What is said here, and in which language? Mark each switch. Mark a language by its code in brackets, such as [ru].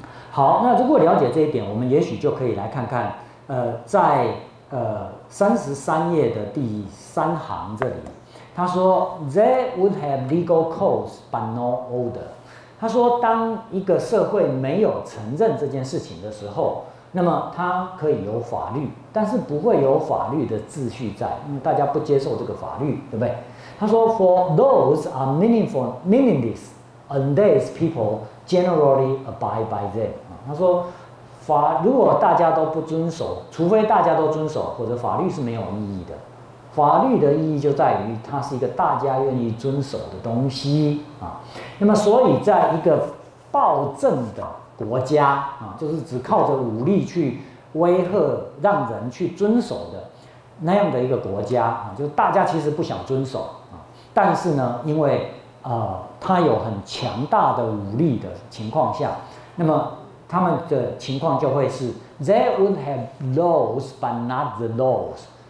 [zh] 好，那如果了解这一点，我们也许就可以来看看在33页的第三行这里，他说 ： [en] “They would have legal cause, but no order。” [zh] 他说，当一个社会没有承认这件事情的时候，那么它可以有法律，但是不会有法律的秩序在，因为大家不接受这个法律，对不对？ [en] 他说 ，For those are meaningless unless people generally abide by them。 [zh] 他说，如果大家都不遵守，除非大家都遵守，或者法律是没有意义的。法律的意义就在于它是一个大家愿意遵守的东西啊。那么所以在一个暴政的国家啊，就是只靠着武力去威吓让人去遵守的那样的一个国家啊，就是大家其实不想遵守啊，但是呢因为它有很强大的武力的情况下，那么他们的情况就会是 [en] They would have laws but not the laws。